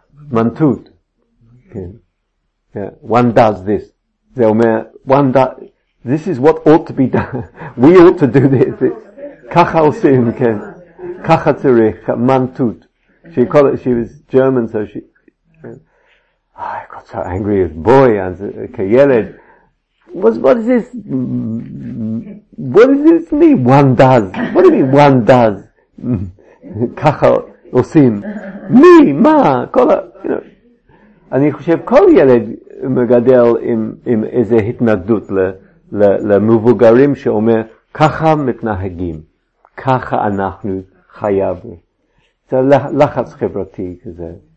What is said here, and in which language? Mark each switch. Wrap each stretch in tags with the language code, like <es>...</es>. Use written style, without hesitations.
<de>man tut,</de> <he>כן,</he> <en>yeah, one does this,</en> <he>זה אומר,</he> <en>one does, this is what ought to be done, we ought to do this,</en> <he>ככה עושים, כן, ככה צריך, מנטות.</he> <en>She called it, she was German, so she, I got so angry as a boy, and</en> <he>כילד.</he> <en>What is this? What does this mean? One does. What do you mean, one does?</en> <he>ככה עושים. מי? מה? כל ה,</he> <en>you know.</en> <he>אני חושב, כל ילד מגדל עם איזה התנגדות למבוגרים שאומר, ככה מתנהגים. ככה אנחנו. חייב. זה לחץ חברתי כזה.</he>